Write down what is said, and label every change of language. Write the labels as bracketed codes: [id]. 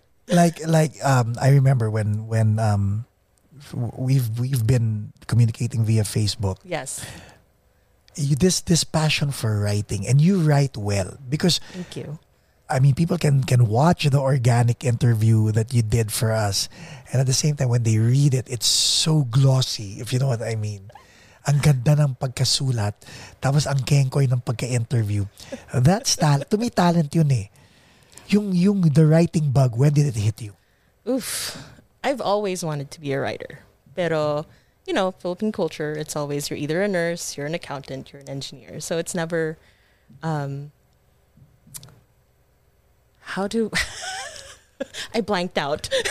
[en] Like, I remember when we've been communicating via Facebook. Yes. This passion for writing, and you write well because thank you. I mean, people can watch the organic interview that you did for us, and at the same time, when they read it, it's so glossy, if you know what I mean. [tl] Ang ganda ng pagkasulat, tapos ang kengkoy ng pagka-interview. [en] That's talent. To me, talent [tl] yun eh. [en] Yung the writing bug, when did it hit you? Oof. I've always wanted to be a writer, pero... You know, Philippine culture, it's always you're either a nurse, you're an accountant, you're an engineer. So it's never, I blanked out.